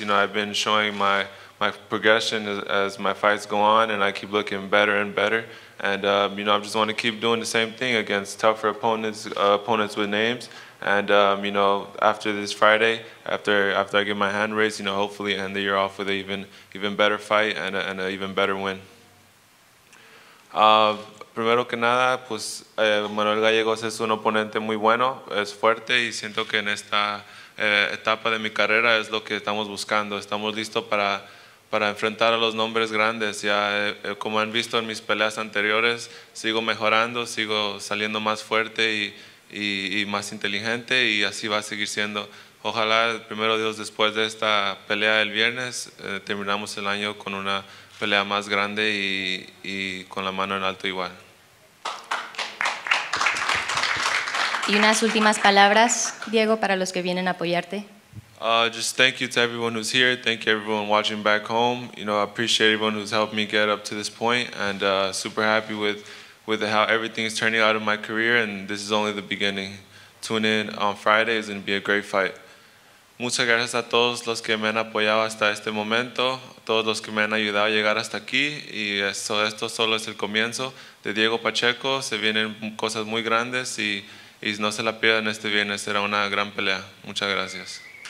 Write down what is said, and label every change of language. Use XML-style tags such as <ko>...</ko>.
<en>You know, I've been showing my progression as my fights go on, and I keep looking better and better. And, you know, I just want to keep doing the same thing against tougher opponents, opponents with names. And, you know, after this Friday, after I get my hand raised, you know, hopefully end the year off with an even better fight and an even better win.</en> <es>Primero que nada, pues Manuel Gallegos es un oponente muy bueno, es fuerte, y siento que en esta etapa de mi carrera es lo que estamos buscando. Estamos listos para enfrentar a los nombres grandes. Ya, como han visto en mis peleas anteriores, sigo mejorando, sigo saliendo más fuerte y más inteligente, y así va a seguir siendo. Ojalá, primero Dios, después de esta pelea del viernes, terminamos el año con una pelea más grande y con la mano en alto igual. Y unas últimas palabras, Diego, para los que vienen a apoyarte.</es> <en>Just thank you to everyone who's here. Thank you everyone watching back home. You know, I appreciate everyone who's helped me get up to this point, and super happy with how everything is turning out in my career, and this is only the beginning. Tune in on Friday. It's going to be a great fight.</en> <es>Muchas gracias a todos los que me han apoyado hasta este momento, todos los que me han ayudado a llegar hasta aquí, y esto solo es el comienzo de Diego Pacheco. Se vienen cosas muy grandes y no se la pierdan este viernes. Será una gran pelea. Muchas gracias.</es>